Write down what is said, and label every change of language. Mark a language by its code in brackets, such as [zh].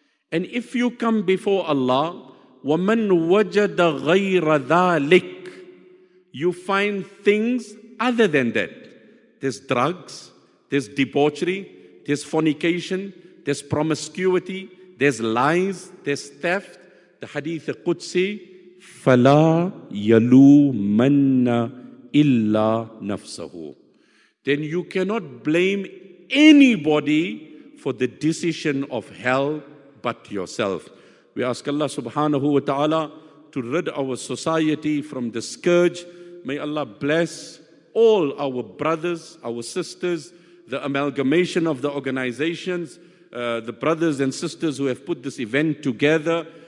[en] And if you come before Allah, [ar] وَمَنْ وَجَدَ غَيْرَ ذَٰلِكَ, [en] you find things other than that. There's drugs, there's debauchery, there's fornication, there's promiscuity, there's lies, there's theft. [ar] The Hadith al-Qudsi, فَلَا يَلُومَنَّ إِلَّا نَفْسَهُ. [en] Then you cannot blame anybody for the decision of hell but yourself. We ask Allah subhanahu wa ta'ala to rid our society from the scourge. May Allah bless all our brothers, our sisters, the amalgamation of the organizations, the brothers and sisters who have put this event together.